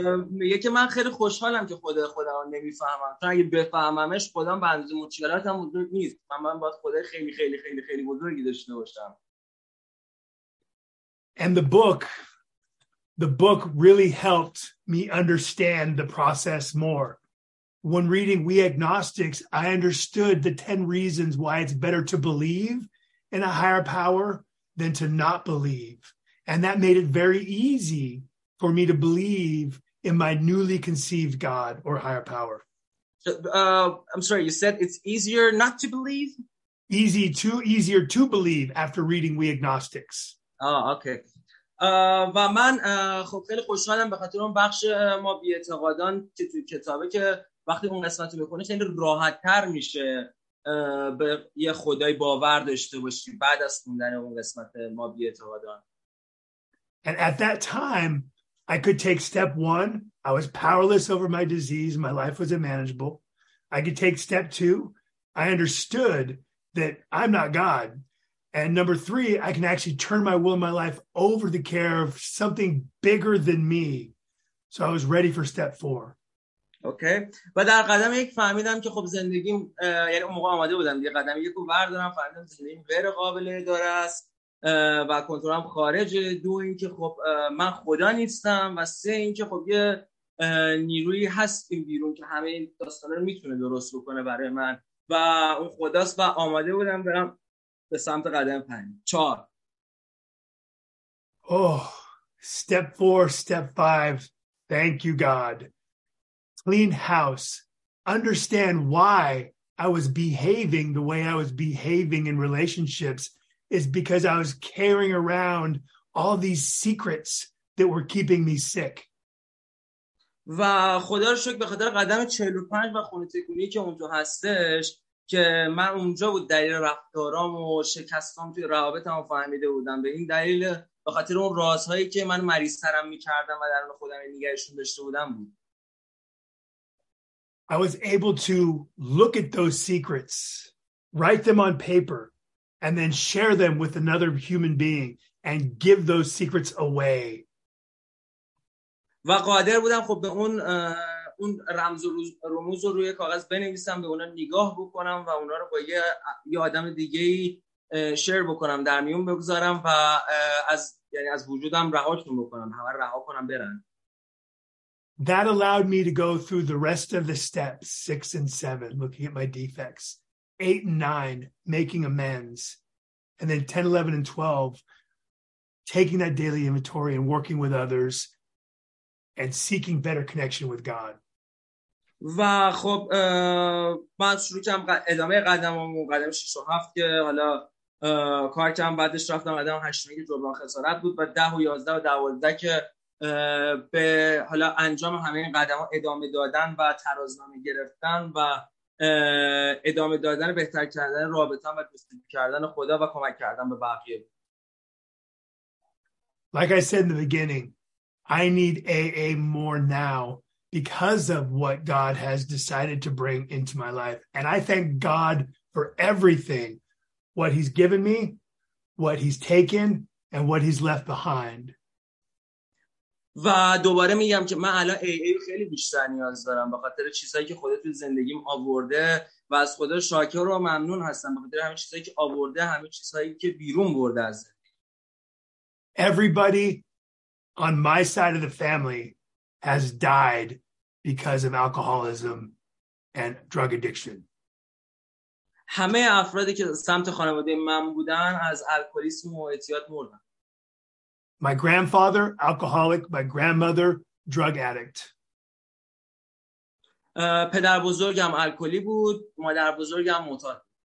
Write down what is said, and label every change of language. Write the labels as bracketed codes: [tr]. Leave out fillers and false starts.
[fa] میگه که من خیلی خوشحالم که خدا خودم نمیفهمم. چون اگه بفهممش خودم به اندازه مشکلاتم بزرگ نیست. من باید خدا خیلی خیلی خیلی خیلی بزرگی داشته باشم. [en] And the book really helped me understand the process more. When reading We Agnostics, I understood the 10 reasons why it's better to believe in a higher power than to not believe. And that made it very easy for me to believe in my newly conceived God or higher power. I'm sorry, you said it's easier not to believe? Easier to believe after reading We Agnostics. Oh, okay. [fa] و من خب خیلی خوشحالم به خاطر اون بخش ما بی اعتقادان که توی کتابه که وقتی اون قسمت رو بخونی خیلی راحت تر میشه به یه خدای باور داشته باشی بعد از خوندن اون قسمت ما بی اعتقادان. [en] And at that time I could take step 1, I was powerless over my disease, my life was unmanageable. I could take step 2, I understood that I'm not God And number three, I can actually turn my will and my life over the care of something bigger than me. So I was ready for step four. [fa] اوکی و در قدم یک فهمیدم که خب زندگیم یعنی اون موقع آماده بودم یه قدم یک رو بردارم فهمیدم زندگیم غیر قابل اداره است و کنترلم خارجه دو این که خب من خدا نیستم و سه این که خب یه نیروی هست این بیرون که همه این داستان رو میتونه درست بکنه برای من و اون خداست و آماده بودم برم به سمت قدم پنج چهار [en] اوه step 4 step 5 thank you God clean house, understand why I was behaving the way I was behaving in relationships is because I was carrying around all these secrets that were keeping me sick. [fa] و خدا رو شکر به خاطر قدم 45 و خونه تکونی که اونجا هستش که من اونجا بود دلیل رفتارام و شکستام توی روابطم فهمیده بودم به این دلیل به خاطر اون رازهایی که من مریض ترم می‌کردم و درون خودم نگاهشون داشته بودم بود. [en] I was able to look at those secrets, write them on paper, and then share them with another human being and give those secrets away. [fa] و قادر بودم خب به اون رمز و رموز رو روی کاغذ بنویسم به اونا نگاه بکنم و اونا رو با یه آدم دیگه ای شیر بکنم در میون بگذارم و از یعنی از وجودم رهاشون بکنم همه رها کنم برن. [en] That allowed me to go through the rest of the steps, 6 and 7, looking at my defects, 8 and 9, making amends, and then 10, 11, and 12, taking that daily inventory and working with others and seeking better connection with God. [fa] و خب من شروع کردم ادامه قدمامو قدم 6 و 7 که حالا کار کردم بعدش رفتم قدم 8 که جبران خسارت بود و 10 و 11 و 12 که به حالا انجام همه این قدم ها ادامه دادن و ترازنامه گرفتن و ادامه دادن بهتر کردن رابطه‌ام و دوستی کردن خدا و کمک کردن به بقیه. [en] Like I said in the beginning, I need AA more now because of what God has decided to bring into my life. And I thank God for everything, what he's given me, what he's taken, and what he's left behind. [fa] و دوباره میگم که من الان AA خیلی بیشتر نیاز دارم به خاطر چیزایی که خدا توی زندگیم آورده و از خدا شاکر و ممنون هستم به خاطر همه چیزایی که آورده همه چیزایی که بیرون برده از [en] Everybody on my side of the family has died because of alcoholism and drug addiction. [fa] همه افرادی که سمت خانواده من بودن از الکلیسم و اعتیاد مردن. [en] My grandfather, alcoholic. My grandmother, drug addict. [fa] پدر بزرگم الکلی بود. مادر بزرگم معتاد.